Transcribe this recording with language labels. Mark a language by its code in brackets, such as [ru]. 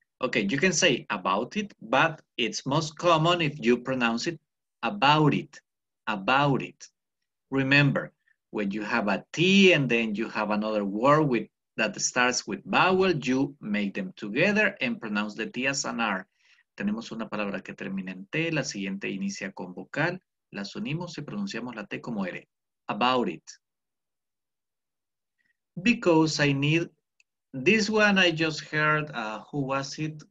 [en] Okay, you can say about it, but it's most common if you pronounce it about it, about it. Remember, when you have a T and then you have another word that starts with vowel, you make them together and pronounce the T as an R. [es] Tenemos una palabra que termina en T, la siguiente inicia con vocal, las unimos y pronunciamos la T como R. [en] About it. Because I need, this one I just heard, who was it?